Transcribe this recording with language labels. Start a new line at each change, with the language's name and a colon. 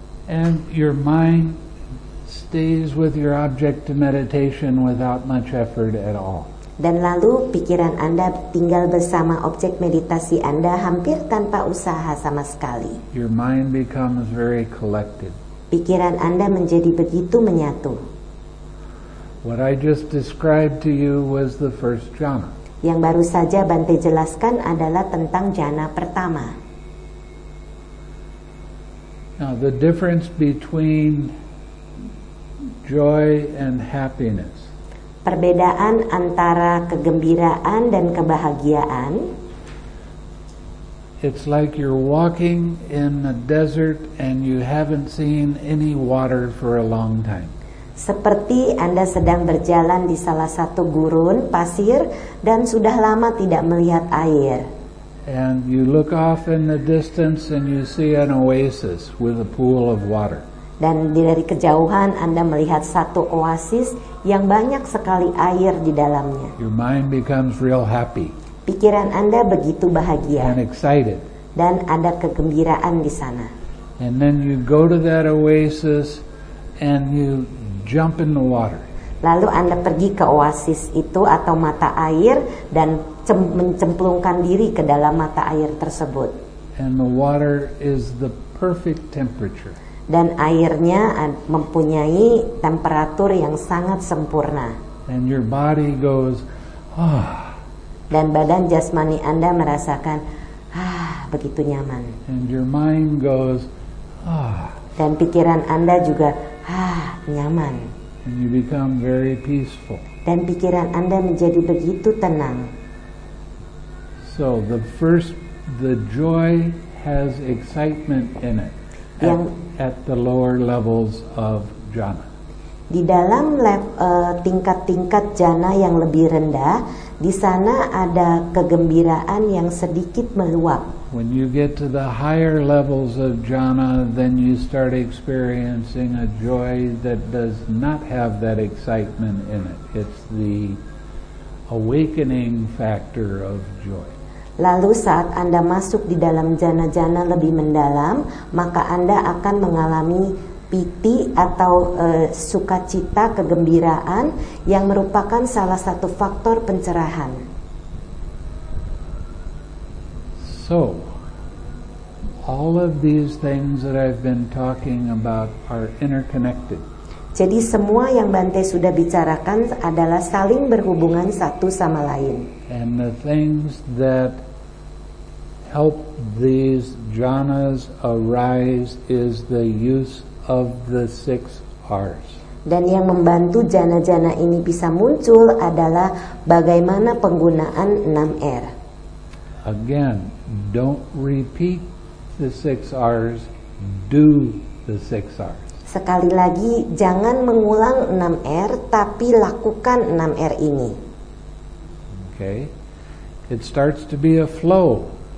English: And your mind stays with your object of meditation without much effort at all.
Indonesian: Dan lalu pikiran Anda tinggal bersama objek meditasi Anda hampir tanpa usaha sama sekali.
English: Your mind becomes very collected.
Indonesian: Pikiran Anda menjadi begitu menyatu.
English: What I just described to you was the first jhana.
Indonesian: Yang baru saja Bante jelaskan adalah tentang jhana pertama.
English: Now the difference between joy and happiness.
Indonesian: Perbedaan antara kegembiraan dan kebahagiaan.
English: It's like you're walking in the desert and you haven't seen any water for a long time.
Indonesian: Seperti Anda sedang berjalan di salah satu gurun pasir dan sudah lama tidak melihat air.
English: And you look off in the distance and you see an oasis with a pool of water.
Indonesian: Dan dari kejauhan Anda melihat satu oasis yang banyak sekali air di dalamnya.
English: Your mind becomes real happy.
Indonesian: Pikiran Anda begitu bahagia.
English: And excited.
Indonesian: Dan ada kegembiraan di sana.
English: And then you go to that oasis and you jump in the water.
Indonesian: Lalu Anda pergi ke oasis itu atau mata air dan mencemplungkan diri ke dalam mata air tersebut.
English: And the water is the perfect temperature.
Indonesian: Dan airnya mempunyai temperatur yang sangat sempurna.
English: and your body goes, ah.
Indonesian: Dan badan jasmani Anda merasakan, ah, begitu nyaman.
English: And your mind goes, ah.
Indonesian: Dan pikiran Anda juga, ah, nyaman.
English: And you become very peaceful.
Indonesian: Dan pikiran Anda menjadi begitu tenang.
English: So the first, the joy has excitement in it. At the lower levels of jhana.
Indonesian: Di dalam tingkat-tingkat jhana yang lebih rendah, di sana ada kegembiraan yang sedikit meluap.
English: When you get to the higher levels of jhana, then you start experiencing a joy that does not have that excitement in it. It's the awakening factor of joy.
Indonesian: Lalu saat Anda masuk di dalam jhana-jhana lebih mendalam, maka Anda akan mengalami piti atau sukacita, kegembiraan yang merupakan salah satu faktor pencerahan.
English: So, all of these things that I've been talking about are interconnected.
Indonesian: Jadi semua yang Bante sudah bicarakan adalah saling berhubungan satu sama lain.
English: And the things that help these jhanas arise is the use of the six R's.
Indonesian: Dan yang membantu jhana-jhana ini bisa muncul adalah bagaimana penggunaan 6 R.
English: Again, don't repeat the six R's, do the six R's.
Indonesian: Sekali lagi, jangan mengulang 6 R, tapi lakukan 6 R ini.
English: Okay. It starts to be a flow.